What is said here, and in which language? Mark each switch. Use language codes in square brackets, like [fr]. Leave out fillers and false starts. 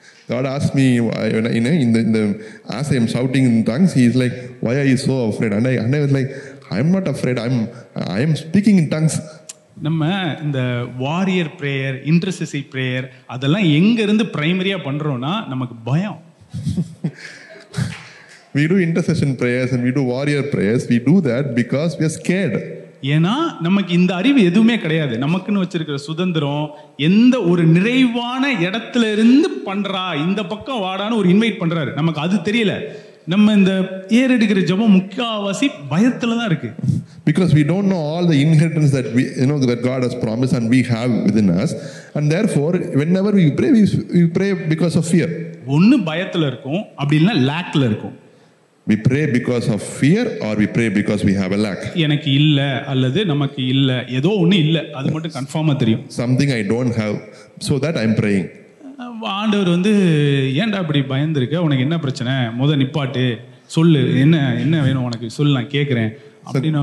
[en] God asked me, you know, as I am shouting in tongues, he is like, why are you so afraid? And I was like, I'm not afraid. I am speaking in tongues. [ta] நம்ம இந்த warrior prayer, intercessory prayer, அதெல்லாம் எங்க இருந்து பிரைமரியா பண்றோம்னா நமக்கு பயம். [en] We do intercession prayers and we do warrior prayers. We do that because we are scared. [ta] ஏனா நமக்கு இந்த அறிவு எதுவுமே கிடையாது. நமக்குன்னு வச்சிருக்கிற சுதந்திரம் எந்த ஒரு நிறைவான இடத்துல இருந்து பண்றா, இந்த பக்கம் வாடான்னு ஒரு இன்வைட் பண்றாரு, நமக்கு அது தெரியல. நம்ம இந்த ஏர் எடுக்கிற ஜெபம் முக்கியவாசி பயத்துல தான் இருக்கு. [en] Because we don't know all the inheritance that we, you know, that God has promised and we have within us, and therefore whenever we pray because of fear. [ta] ஒண்ணு பயத்துல இருக்கும், அப்படி இல்ல லாக்ல இருக்கும். [en] We pray because of fear or we pray because we have a lack. [ta] எனக்கு இல்ல அல்லது நமக்கு இல்ல, ஏதோ ஒண்ணு இல்ல, அது மட்டும் கன்ஃபார்மா தெரியும். [en] Something I don't have, so that I'm praying. [ta] ஆண்டவர் வந்து, ஏன்டா இப்படி பயந்துருக்க, உனக்கு என்ன பிரச்சனை, முத நிப்பாட்டு, சொல்லு என்ன என்ன வேணும் உனக்கு, சொல்லு நான் கேட்குறேன் அப்படின்னு.